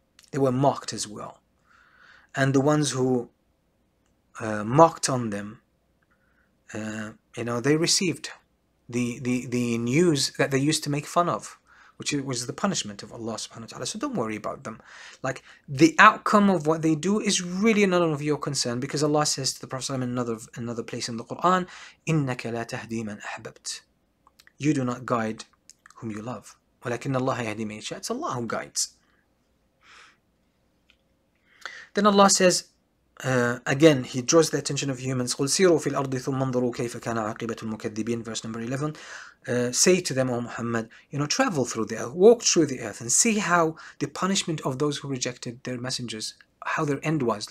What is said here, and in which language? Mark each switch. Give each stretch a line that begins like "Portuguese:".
English: They were mocked as well. And the ones who mocked on them, you know, they received the news that they used to make fun of, which was the punishment of Allah subhanahu wa ta'ala. So don't worry about them. Like, the outcome of what they do is really none of your concern, because Allah says to the Prophet in another place in the Quran,
Arabic: إِنَّكَ لَا تَهْدِي مَنْ أَحْبَبْتَ.
English: You do not guide whom you love.
Arabic: وَلَكِنَّ اللَّهَ يَهْدِي مَنْ يَشَاءُ.
English: It's Allah who guides. Then Allah says, again, He draws the attention of humans.
Arabic: قُلْ سِيرُوا فِي الْأَرْضِ ثُمَّ انظروا كَيْفَ كَانَ عَقِبَةُ الْمُكَذِّبِينَ.
English: Verse number 11. Say to them, O Muhammad, you know, travel through the earth, walk through the earth and see how the punishment of those who rejected their messengers, how their end was.